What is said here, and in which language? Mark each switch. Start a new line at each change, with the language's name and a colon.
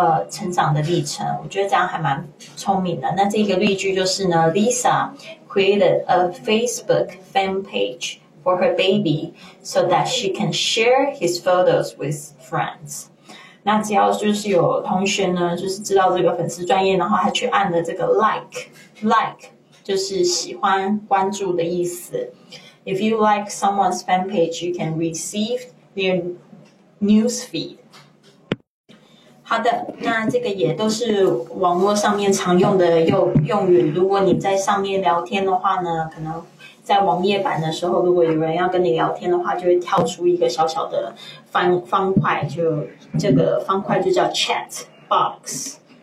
Chinese: 成长的历程，我觉得这样还蛮聪明的。那这个例句就是呢，
English: Lisa created a Facebook fan pageFor her baby, so that she can share his photos with friends.
Chinese: 那只要就是有同学呢，就是知道这个粉丝专页，然后他去按了这个 like, 就是喜欢、关注的意思。
English: If you like someone's fan page, you can receive their news feed.
Chinese: 好的，那这个也都是网络上面常用的用语。如果你在上面聊天的话呢，可能在网页版的时候，如果有人要跟你聊天的话，就会跳出一个小小的方块，就这个方块就叫 chat box。